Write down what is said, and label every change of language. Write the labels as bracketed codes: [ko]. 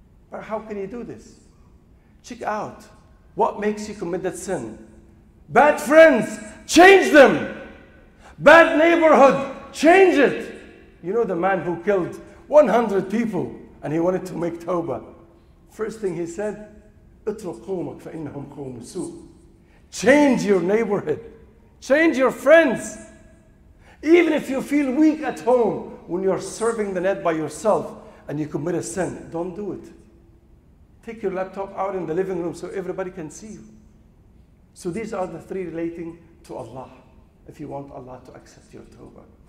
[en] But how can you do this? Check out what makes you commit that sin. Bad friends, change them. Bad neighborhood, change it. You know the man who killed 100 people and he wanted to make tawbah. First thing he said, [ar] اترك قومك فإنهم قوم سوء. [en] Change your neighborhood. Change your friends. Even if you feel weak at home when you're surfing the net by yourself and you commit a sin, don't do it. Take your laptop out in the living room so everybody can see you. So these are the three relating to Allah, if you want Allah to accept your tawbah.